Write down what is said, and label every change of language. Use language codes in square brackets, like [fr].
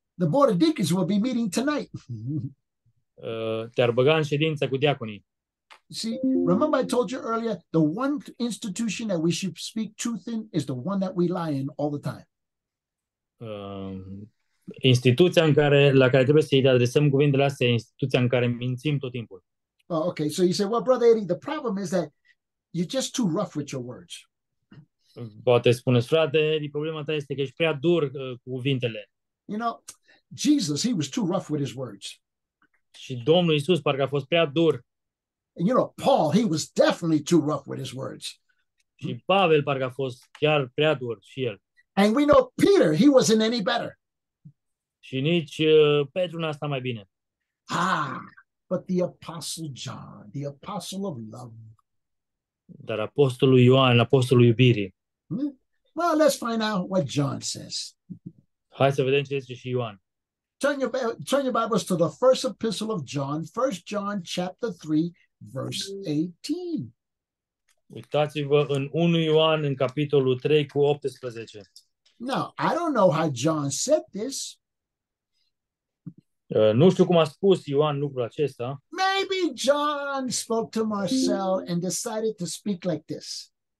[en] The board of deacons will be meeting tonight. [ro] Te-ar băga în ședință cu diaconii. [en] See, remember I told you earlier, the one institution that we should speak truth in is the one that we lie in all the time. [ro] Instituția la care trebuie să îi adresăm cuvintele astea, instituția în care mințim tot timpul. [en] Oh, okay, so you say, well, Brother Eddie, the problem is that you're just too rough with your words. [ro] Poate spuneți, frate Eddie, problema ta este că ești prea dur cu cuvintele. [en] You know, Jesus, he was too rough with his words. [ro] Și Domnul Iisus parcă a fost prea dur. [en] And you know, Paul, he was definitely too rough with his words. [ro] Și Pavel parcă a fost chiar prea dur și el. [en] And we know Peter, he wasn't any better. [ro] Și nici Petru n-a stat mai bine. [en] Ah, but the Apostle John, the Apostle of Love. [ro] Dar Apostolul Ioan, Apostolul Iubirii. [en] Well, let's find out what John says. [ro] Hai să vedem ce zice și Ioan. [en] Turn your Bibles to the first epistle of John, 1 John chapter 3. Verse 18. [ro] Uitați-vă în 1 Ioan în capitolul 3 cu 18. [en] Now, I don't know how John said this. [ro] Nu știu cum a spus Ioan lucrul acesta. [en] Maybe John spoke to Marcel and decided to speak like this.